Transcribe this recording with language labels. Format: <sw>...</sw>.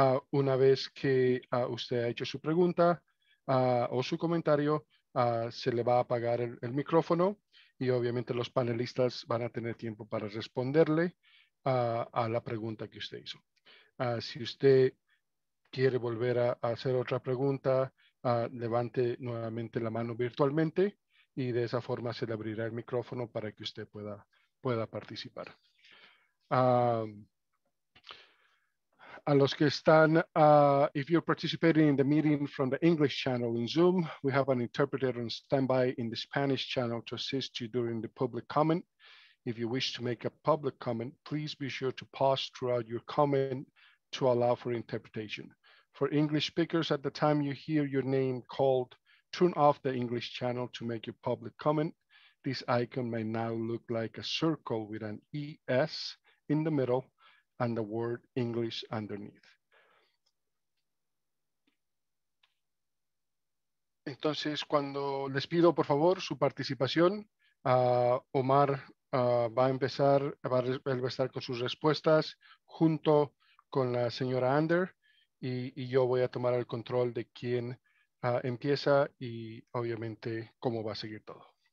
<es>Una vez que usted ha hecho su pregunta o su comentario, se le va a apagar el micrófono y obviamente los panelistas van a tener tiempo para responderle a la pregunta que usted hizo. Si usted quiere volver a hacer otra pregunta, levante nuevamente la mano virtualmente. Y de esa forma se le abrirá el micrófono para que usted pueda participar. A los que están,</es> <en>if you're participating in the meeting from the English channel in Zoom, we have an interpreter on standby in the Spanish channel to assist you during the public comment. If you wish to make a public comment, please be sure to pause throughout your comment to allow for interpretation. For English speakers, at the time you hear your name called, turn off the English channel to make your public comment. This icon may now look like a circle with an ES in the middle and the word English underneath.</en> <es>Entonces, cuando les pido, por favor, su participación, Omar va a empezar, va a estar con sus respuestas junto con la señora Ander y yo voy a tomar el control de quién empieza y obviamente cómo va a seguir todo.</es>